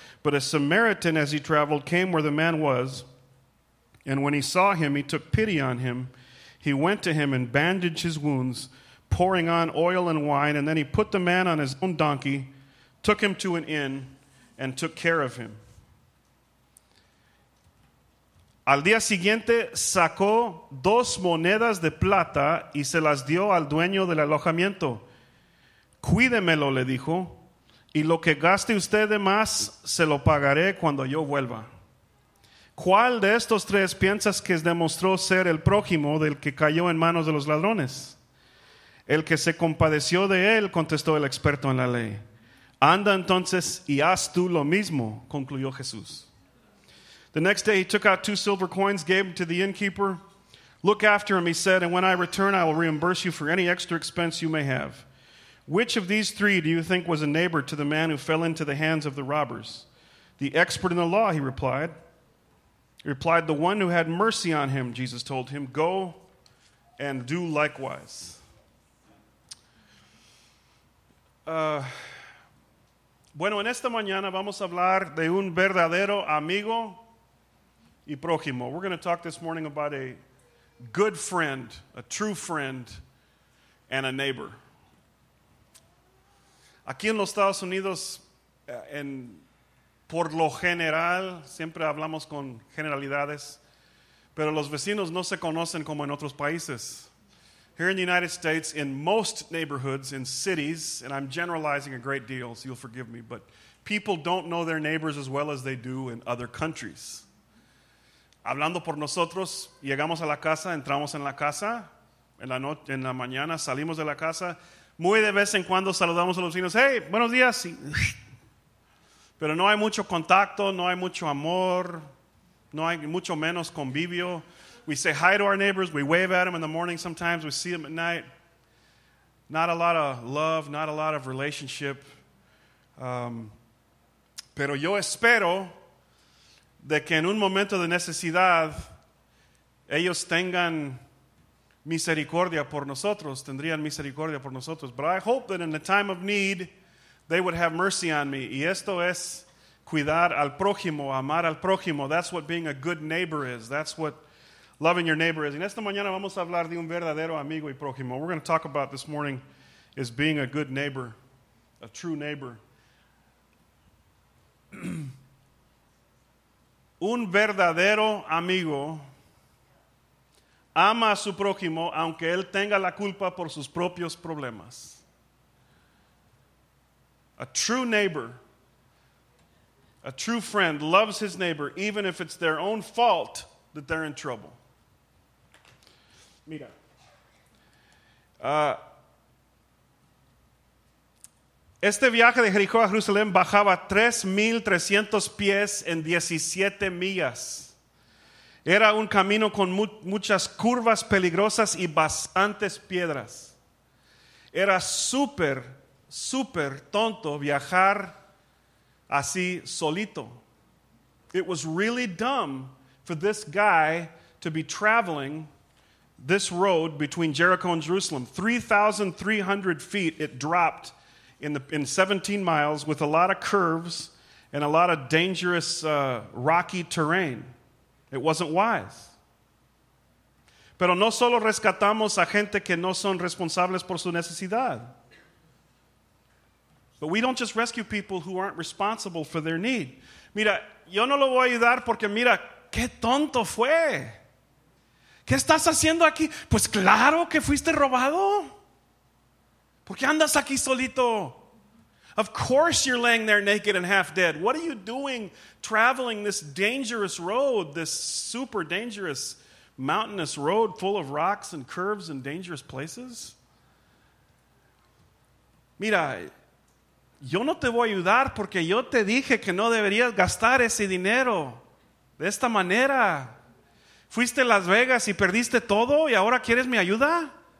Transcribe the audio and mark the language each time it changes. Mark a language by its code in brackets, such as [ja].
[en] But a Samaritan, as he traveled, came where the man was, and when he saw him, he took pity on him. He went to him and bandaged his wounds, pouring on oil and wine, and then he put the man on his own donkey, took him to an inn, and took care of him. [es] Al día siguiente sacó dos monedas de plata y se las dio al dueño del alojamiento. Cuídemelo, le dijo, y lo que gaste usted de más se lo pagaré cuando yo vuelva. ¿Cuál de estos tres piensas que demostró ser el prójimo del que cayó en manos de los ladrones? El que se compadeció de él, contestó el experto en la ley. Anda entonces y haz tú lo mismo, concluyó Jesús. [en] The next day he took out two silver coins, gave them to the innkeeper. Look after him, he said, and when I return I will reimburse you for any extra expense you may have. Which of these three do you think was a neighbor to the man who fell into the hands of the robbers? The expert in the law, he replied. He replied, the one who had mercy on him, Jesus told him, go and do likewise. [es] Bueno, en esta mañana vamos a hablar de un verdadero amigo y prójimo. [en] We're going to talk this morning about a good friend, a true friend, and a neighbor. [es] Aquí en los Estados Unidos, en por lo general, siempre hablamos con generalidades, pero los vecinos no se conocen como en otros países. [en] Here in the United States, in most neighborhoods, in cities, and I'm generalizing a great deal, so you'll forgive me, but people don't know their neighbors as well as they do in other countries. [es] Hablando por nosotros, llegamos a la casa, entramos en la casa, en la mañana salimos de la casa, muy de vez en cuando saludamos a los vecinos, hey, buenos días, pero no hay mucho contacto, no hay mucho amor, no hay mucho menos convivio. [en] We say hi to our neighbors, we wave at them in the morning sometimes, we see them at night. Not a lot of love, not a lot of relationship. [es] Pero yo espero de que en un momento de necesidad ellos tengan misericordia por nosotros, tendrían misericordia por nosotros. [en] But I hope that in the time of need, they would have mercy on me. [es] Y esto es cuidar al prójimo, amar al prójimo. [en] That's what being a good neighbor is. That's what loving your neighbor is. [es] Y esta mañana vamos a hablar de un verdadero amigo y prójimo. [en] We're going to talk about this morning is being a good neighbor, a true neighbor. [es] Un verdadero amigo ama a su prójimo aunque él tenga la culpa por sus propios problemas. [en] A true neighbor, a true friend, loves his neighbor even if it's their own fault that they're in trouble. [es] Mira. Este viaje de Jericó a Jerusalén bajaba 3,300 pies en 17 millas. Era un camino con muchas curvas peligrosas y bastantes piedras. Era súper, súper tonto viajar así solito. [en] It was really dumb for this guy to be traveling this road between Jericho and Jerusalem. 3,300 feet it dropped in 17 miles with a lot of curves and a lot of dangerous rocky terrain. It wasn't wise. [es] Pero no solo rescatamos a gente que no son responsables por su necesidad. [en] But we don't just rescue people who aren't responsible for their need. [es] Mira, yo no lo voy a ayudar porque mira, qué tonto fue. ¿Qué estás haciendo aquí? Pues claro que fuiste robado. ¿Por qué andas aquí solito? [en] Of course you're laying there naked and half dead. What are you doing traveling this dangerous road, this super dangerous mountainous road full of rocks and curves and dangerous places? [es] Mira, yo no te voy a ayudar porque yo te dije que no deberías gastar ese dinero de esta manera. Fuiste a Las Vegas y perdiste todo y ahora quieres mi ayuda?